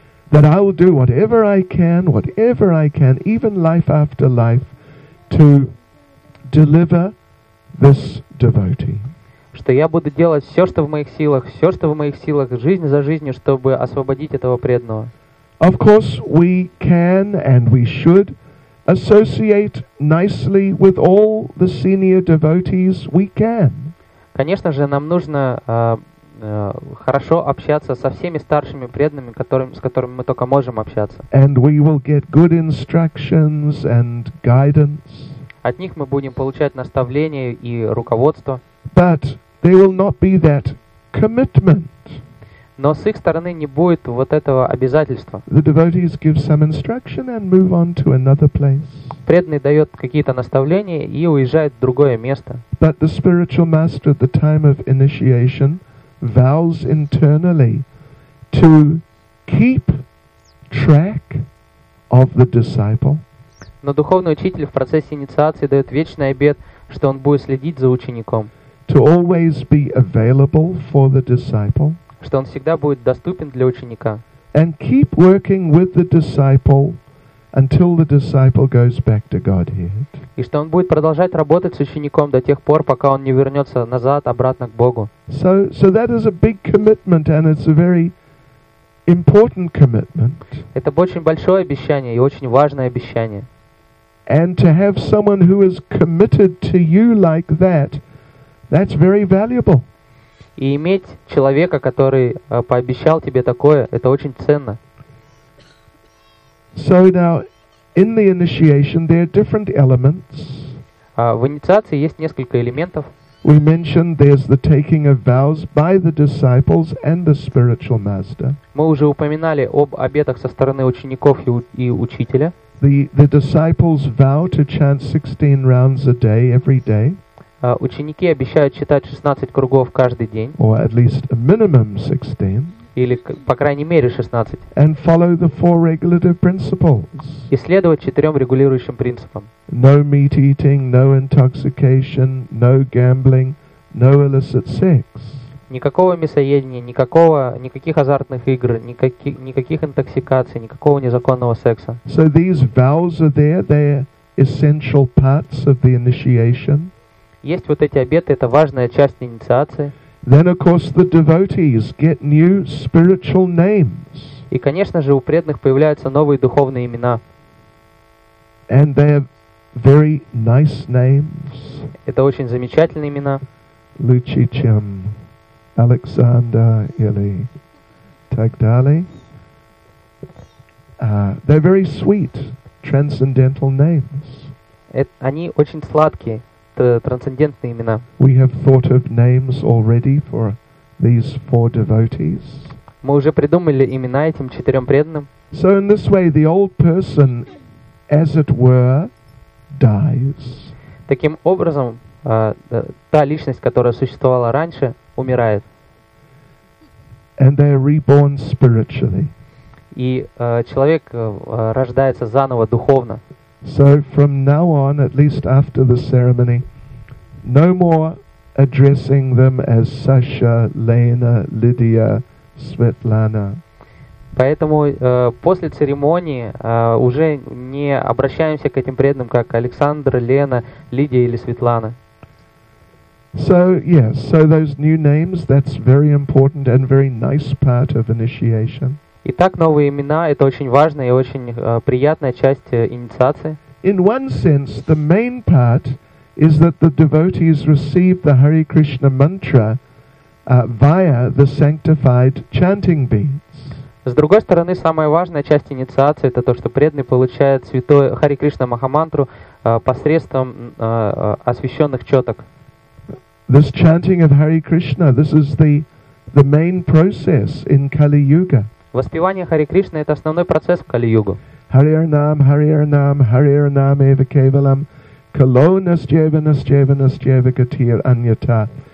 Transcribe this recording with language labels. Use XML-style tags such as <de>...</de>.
<en>That I will do whatever I can, even life after life, to deliver this devotee.</en> <ru>Что я буду делать все, что в моих силах, все, что в моих силах, жизнь за жизнью, чтобы освободить этого преданного.</ru> <en>Of course, we can and we should associate nicely with all the senior devotees we can.</en> <ru>Конечно же, нам нужно хорошо общаться со всеми старшими преданными, с которыми мы только можем общаться.</ru> <en>And we will get good instructions and guidance.</en> <ru>От них мы будем получать наставления и руководство.</ru> <en>But there will not be that commitment.</en> <ru>Но с их стороны не будет вот этого обязательства.</ru> <en>The devotees give some instruction and move on to another place.</en> <ru>Преданный дает какие-то наставления и уезжает в другое место.</ru> <en>But the spiritual master at the time of initiation vows internally to keep track of the disciple.</en> <ru>Но духовный учитель в процессе инициации дает вечный обет, что он будет следить за учеником.</ru> <en>To always be available for the disciple.</en> <ru>Что он всегда будет доступен для ученика.</ru> <en>And keep working with the disciple until the disciple goes back to Godhead.</en> <ru>И что он будет продолжать работать с учеником до тех пор, пока он не вернется назад, обратно к Богу.</ru> <en>So that is a big commitment, and it's a very important commitment.</en> <ru>Это очень большое обещание и очень важное обещание.</ru> <en>And to have someone who is committed to you like that, that's very valuable.</en> <ru>И иметь человека, который пообещал тебе такое, это очень ценно.</ru> <en>So now, in the initiation, there are different elements.</en> <ru>В инициации есть несколько элементов.</ru> <en>We mentioned there's the taking of vows by the disciples and the spiritual master.</en> <ru>Мы уже упоминали об обетах со стороны учеников и учителя.</ru> <en>The disciples vow to chant 16 rounds a day every day.</en> <ru>Ученики обещают читать 16 кругов каждый день.</ru> <en>Or at least a minimum 16.</en> <ru>Или по крайней мере 16.</ru> <en>And follow the four regulative principles.</en> <ru>И следовать четырем регулирующим принципам.</ru> <en>No meat eating, no intoxication, no gambling, no illicit sex.</en> <ru>Никакого мясоедения, никаких азартных игр, никаких интоксикаций, никакого незаконного секса.</ru> <en>So these vows are there, they're essential parts of the initiation.</en> <ru>Есть вот эти обеты, это важная часть инициации.</ru> <en>Then, of course, the devotees get new spiritual names.</en> <ru>И, конечно же, у преданных появляются новые духовные имена.</ru> <en>And they have very nice names.</en> <ru>Это очень замечательные имена. Лучичем, Александр или так далее.</ru> <en>They're very sweet, transcendental names.</en> <ru>Они очень сладкие. Трансцендентные имена.</ru> <en>We have thought of names already for these four devotees.</en> <ru>Мы уже придумали имена этим четырем преданным.</ru> <en>So in this way, the old person, as it were, dies.</en> <ru>Таким образом, та личность, которая существовала раньше, умирает.</ru> <en>And they are reborn spiritually.</en> <ru>И человек рождается заново духовно.</ru> <en>So from now on, at least after the ceremony, no more addressing them as Sasha, Lena, Lydia, Svetlana.</en> <ru>Поэтому после церемонии уже не обращаемся к этим преданным как Александр, Лена, Лидия или Светлана.</ru> <en>So yes, so those new names, that's very important and very nice part of initiation.</en> <ru>Итак, новые имена – это очень важная и очень приятная часть инициации.</ru> <en>In one sense, the main part is that the devotees receive the Hare Krishna mantra via the sanctified chanting beads.</en> <ru>С другой стороны, самая важная часть инициации – это то, что преданный получает святой Hare Krishna Mahamantra посредством освященных четок.</ru> <en>This chanting of Hare Krishna, this is the main process in Kali Yuga.</en> <ru>Воспевание Харе Кришны – это основной процесс в Кали-югу.</ru> <sa>Хариарнам, Хариарнам, Хариарнам, Эва Кевалам, Кало Насджева, Насджева, Насджева, Гатир, Аньята.</sa>